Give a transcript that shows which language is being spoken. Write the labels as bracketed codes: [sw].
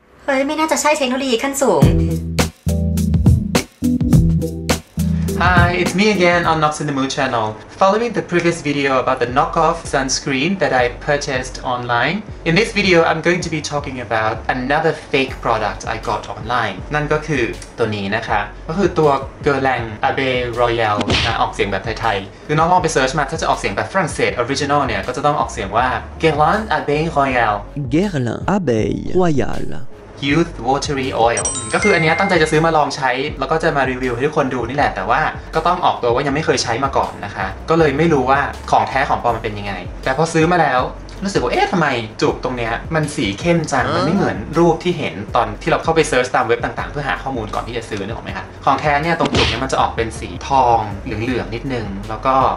[th] เฮ้ยไม่น่าจะใช่เทคโนโลยีขั้นสูง [en] Hi, it's me again on Knox in the Moon channel. Following the previous video about the knockoff sunscreen that I purchased online, in this video I'm going to be talking about another fake product I got online. [th] นั่นก็คือตัวนี้นะคะก็คือตัว Guerlain Abbé Royal นะออกเสียงแบบไทยๆคือน้องลองไปเสิร์ชมาถ้าจะออกเสียงแบบฝรั่งเศส original เนี่ยก็จะต้องออกเสียงว่า Guerlain Abbé Royal Guerlain Abbé Royal Youth Watery Oil ก็คืออันนี้ตั้งใจจะซื้อมาลองใช้แล้วก็จะมารีวิวให้ทุกคนดูนี่แหละแต่ว่าก็ต้องออกตัวว่ายังไม่เคยใช้มาก่อนนะคะก็เลยไม่รู้ว่าของแท้ของปลอมมันเป็นยังไงแต่พอซื้อมาแล้วรู้สึกว่าเอ๊ะทำไมจุกตรงเนี้ยมันสีเข้มจังมันไม่เหมือนรูปที่เห็นตอนที่เราเข้าไปเซิร์ชตามเว็บต่างๆเพื่อหาข้อมูลก่อนที่จะซื้อนึกออกมั้ยคะของแท้เนี่ยตรงจุกเนี่ยมันจะออกเป็นสีทองเหลืองๆนิดนึงแล้วก็